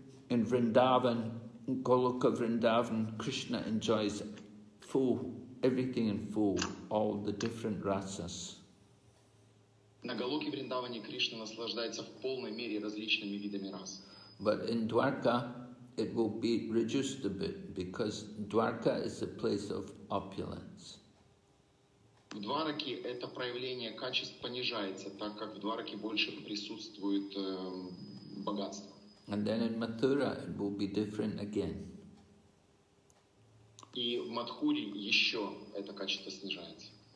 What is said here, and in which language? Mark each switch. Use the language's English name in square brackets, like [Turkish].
[English] In Vrindavan, Goloka Vrindavan, Krishna enjoys full everything in full, all the different rasas. [Russian] На Голоке Вриндаване Кришна наслаждается в полной мере различными видами рас. [English] But in Dwarka, it will be reduced a bit, because Dwarka is a place of opulence. [Russian] В Двараке это проявление качеств понижается, так как в Двараке больше присутствует богатство. [English] And then in Mathura, it will be different again. [Russian] И в Мадхуре еще это качество снижается.